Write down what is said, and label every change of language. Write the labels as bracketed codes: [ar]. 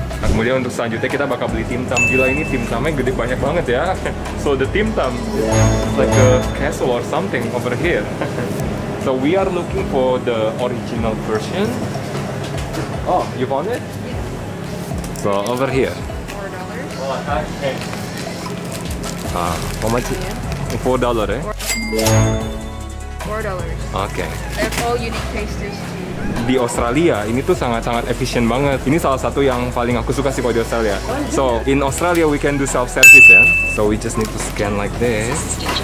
[id] Nah, kemudian untuk selanjutnya kita bakal beli timtam. Gila ini timtamnya gede banyak banget ya. [en] So the timtam is like a castle or something over here. So we are looking for the original version. Oh, you found it? Yes. So over here. $4. Ah, how much? $4, eh? $4. Okay. They have all unique tasters too. [id] Di Australia, ini tuh sangat-sangat efisien banget. Ini salah satu yang paling aku suka sih kalau di Australia. [en] So, in Australia we can do self-service, yeah? So we just need to scan like this.